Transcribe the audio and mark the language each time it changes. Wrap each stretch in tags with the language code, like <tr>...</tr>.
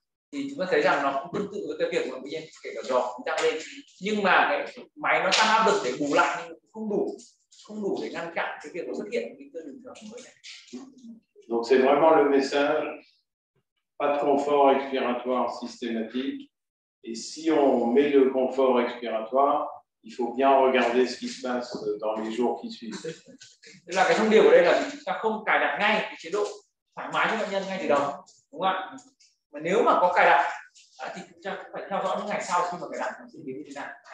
<vi>Thì chúng ta thấy rằng nó cũng tương tự với cái việc mà bệnh nhân kể cả giò cũng tăng lên, nhưng mà cái máy nó tăng áp lực để bù lại nhưng không đủ để ngăn chặn cái việc nó xuất hiện cái cơn đường thở mới này.</vi> <fr>Donc c'est vraiment le message, pas de confort expiratoire systématique, et si on met le confort expiratoire, il faut bien regarder ce qui se passe dans les jours qui suivent.</fr> <vi>Là cái thông điệp ở đây là chúng ta không cài đặt ngay cái chế độ thoải mái cho bệnh nhân ngay từ đầu, đúng không ạ? Mà nếu mà có cài đặt thì chúng ta phải theo dõi những ngày sau khi mà cài đặt nó diễn biến như thế nào.</vi>